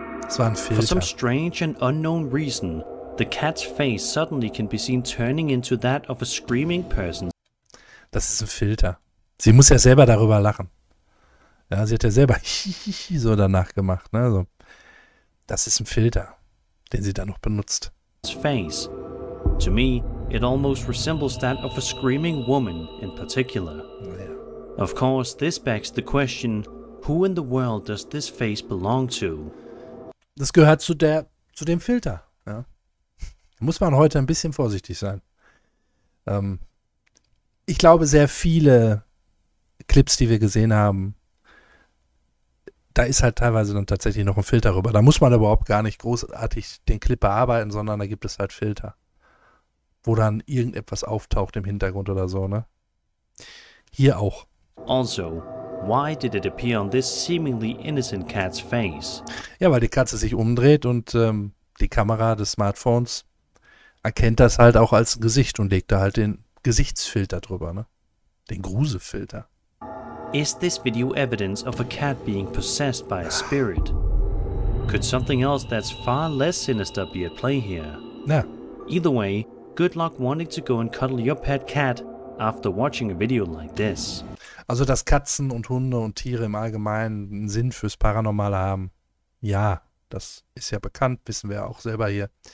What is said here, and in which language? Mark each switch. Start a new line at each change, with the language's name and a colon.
English: For some strange and unknown reason, the cat's face suddenly can be seen turning into that of a screaming person.
German: Das ist ein Filter. Sie muss ja selber darüber lachen. Ja, sie hat ja selber so danach gemacht. Ne? So. Das ist ein Filter, den sie da noch benutzt.
English: Face. To me, it almost resembles that of a screaming woman in particular. Yeah. Of course, this begs the question, who in the world does this face belong to?
German: Das gehört zu dem Filter. Ja. Da muss man heute ein bisschen vorsichtig sein. Ich glaube, sehr viele Clips, die wir gesehen haben, da ist halt teilweise dann tatsächlich noch ein Filter rüber. Da muss man überhaupt gar nicht großartig den Clip bearbeiten, sondern da gibt es halt Filter, wo dann irgendetwas auftaucht im Hintergrund oder so. Ne? Hier auch.
English: Also, why did it appear on this seemingly innocent cat's face?
German: Ja, weil die Katze sich umdreht und die Kamera des Smartphones erkennt das halt auch als Gesicht und legt da halt den Gesichtsfilter drüber, ne? Den Gruselfilter.
English: Is this video evidence of a cat being possessed by a spirit? Could something else that's far less sinister be at play here?
German: Ja.
English: Either way, good luck wanting to go and cuddle your pet cat after watching a video like this.
German: Also, dass Katzen und Hunde und Tiere im Allgemeinen einen Sinn fürs Paranormale haben, ja, das ist ja bekannt, wissen wir ja auch selber hier.